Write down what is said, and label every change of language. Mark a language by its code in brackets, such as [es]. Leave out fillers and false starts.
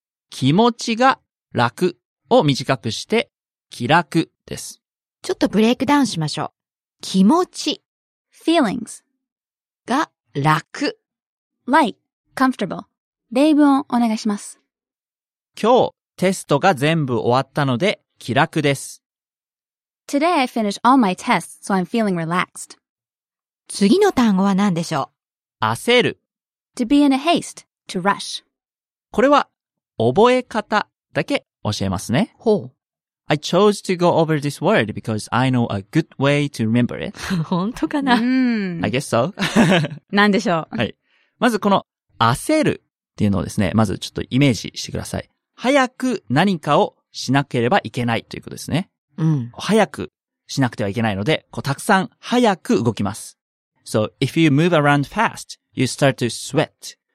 [ja] 気持ちが楽を短くして気楽です。ちょっとブレイクダウンしましょう。気持ち。 [en] feelings. [ja] が楽。 [en] like. Comfortable. [ja] 例文をお願いします。今日、テストが全部終わったので、気楽です。 [en] Today I finished all my tests, so I'm feeling relaxed. [ja] 次の単語は何でしょう？焦る。 [en] To be in a haste, to rush. [ja] これは、覚え方だけ教えますね。ほう。 [en] I chose to go over this word because I know a good way to remember it. [ja] 本当かな？ [en] I guess so. [ja] 何でしょう？はい。まずこの、焦るっていうのをですね、まずちょっとイメージしてください。早く何かをしなければいけないということですね。早くしなくてはいけないので、こうたくさん早く動きます。 [en] So, if you move around fast, you start to sweat.